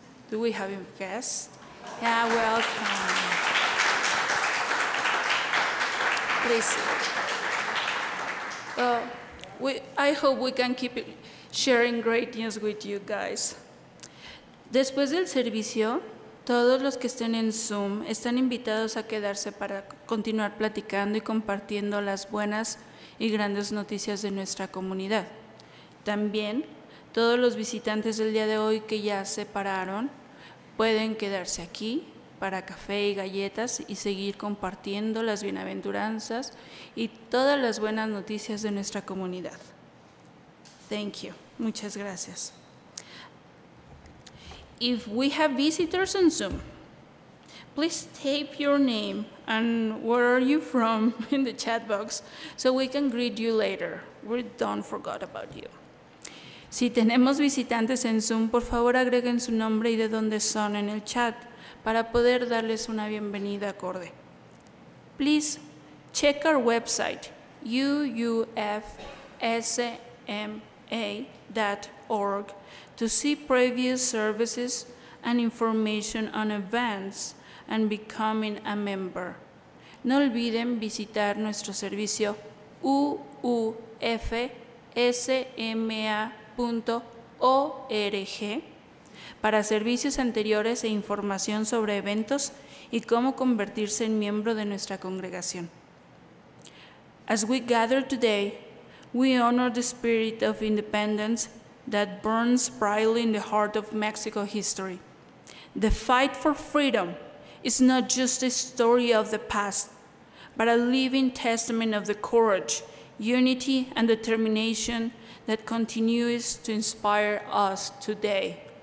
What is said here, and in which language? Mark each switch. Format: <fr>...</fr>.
<en>Do we have a guest? Yeah, welcome. Please. I hope we can keep sharing great news with you guys.</en> <es>Después del servicio, todos los que estén en Zoom están invitados a quedarse para continuar platicando y compartiendo las buenas y grandes noticias de nuestra comunidad. También, todos los visitantes del día de hoy que ya se pararon pueden quedarse aquí para café y galletas y seguir compartiendo las bienaventuranzas y todas las buenas noticias de nuestra comunidad.</es> <en>Thank you.</en> <es>Muchas gracias.</es> <en>If we have visitors on Zoom, please type your name and where are you from in the chat box so we can greet you later. We don't forget about you.</en> <es>Si tenemos visitantes en Zoom, por favor agreguen su nombre y de dónde son en el chat para poder darles una bienvenida acorde.</es> <en>Please check our website, uufsma.org. to see previous services and information on events and becoming a member.</en> <es>No olviden visitar nuestro servicio uufsma.org para servicios anteriores e información sobre eventos y cómo convertirse en miembro de nuestra congregación.</es> <en>As we gather today, we honor the spirit of independence that burns brightly in the heart of Mexico history. The fight for freedom is not just a story of the past, but a living testament of the courage, unity, and determination that continues to inspire us today.</en>